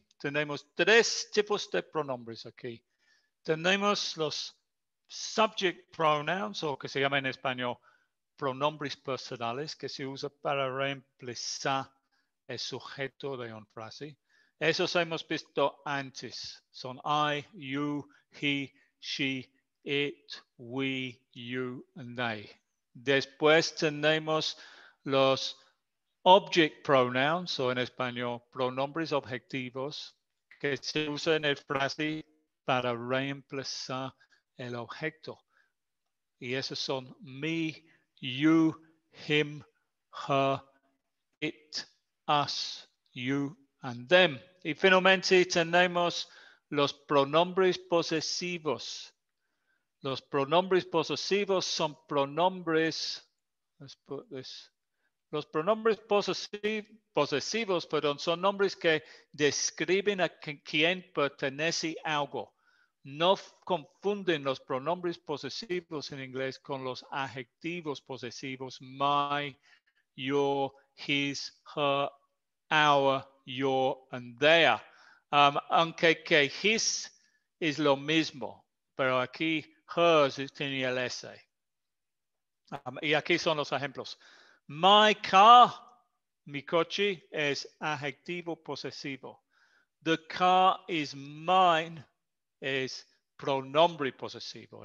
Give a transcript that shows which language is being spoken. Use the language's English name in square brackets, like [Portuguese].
[Spanish] Tenemos tres tipos de pronombres aquí. Tenemos los subject pronouns, o que se llama en español pronombres personales, que se usa para reemplazar el sujeto de una frase. Esos hemos visto antes. Son [English] I, you, he, she, it, we, you, and they. [Spanish] Después tenemos los object pronouns, o en español pronombres objetivos, que se usa en el frase para reemplazar el objeto. Y esos son [English] me, you, him, her, it, us, you, and them. [Spanish] Y finalmente tenemos los pronombres posesivos. Los pronombres posesivos son pronombres, [English] let's put this, [Spanish] los pronombres posesivos, perdón, son nombres que describen a quien pertenece algo. No confunden los pronombres posesivos en inglés con los adjetivos posesivos. [English] My, your, his, her, our, your, and their. [Spanish] Aunque que his es lo mismo, pero aquí hers tiene el S. Y aquí son los ejemplos. [English] My car, [Spanish] mi coche, es adjetivo posesivo. [English] The car is mine, [Spanish] es pronombre posesivo.